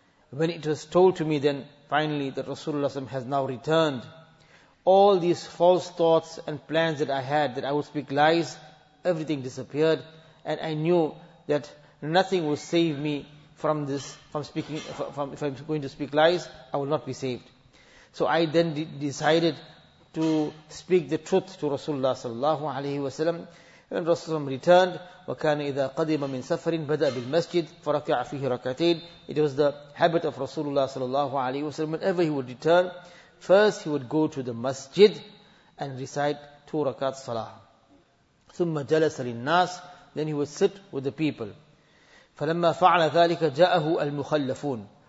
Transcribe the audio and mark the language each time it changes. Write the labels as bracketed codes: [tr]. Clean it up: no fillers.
[en] When it was told to me then, finally, that Rasulullah SAW has now returned, all these false thoughts and plans that I had, that I would speak lies, everything disappeared, and I knew that nothing would save me from this, from speaking, from if I'm going to speak lies, I will not be saved. So I then decided to speak the truth to Rasulullah sallallahu alaihi wasallam. When Rasulullah returned, [ar] وَكَانَ إِذَا قَدِمَ مِنْ سَفَرٍ بَدَأَ بِالْمَسْجِدِ فَرَكَعَ فِيهِ رَكَعَتَيْنِ. [en] It was the habit of Rasulullah sallallahu alaihi wasallam. Whenever he would return, first he would go to the masjid and recite two rakat salah. [ar] ثُمَّ جَلَسَ لِلنَّاسِ. [en] Then he would sit with the people. [ar] فَلَمَّا فَعْلَ ذَلِكَ جَاءَهُ الْمُخَلَّفُونَ.